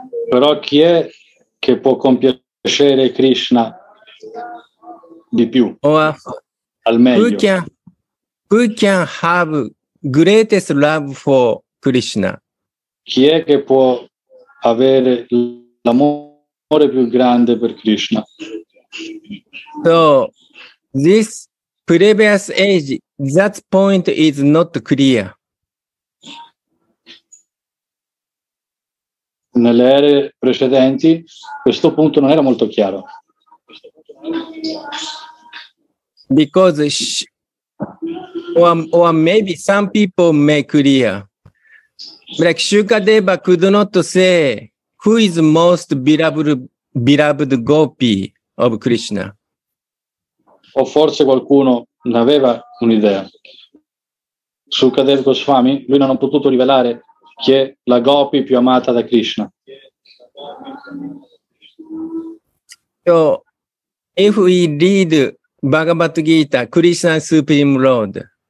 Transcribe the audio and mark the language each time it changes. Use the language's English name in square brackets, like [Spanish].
[Italian] Però chi è che può compiacere Krishna di più, al meglio? [English] Who can have greatest love for Krishna? [Italian] Chi è che può avere l'amore più grande per Krishna? [English] So, this previous age, that point is not clear. [Italian] Nelle ere precedenti questo punto non era molto chiaro. [English] Because or maybe some people may clear. Like Shukadeva could not say who is most beloved gopi of Krishna. [Italian] O forse qualcuno ne aveva un'idea. Shukadeva Goswami, lui non ha potuto rivelare chi è la gopi più amata da Krishna. [English] So, if we read Bhagavad Gita, Krishna Supreme Lord.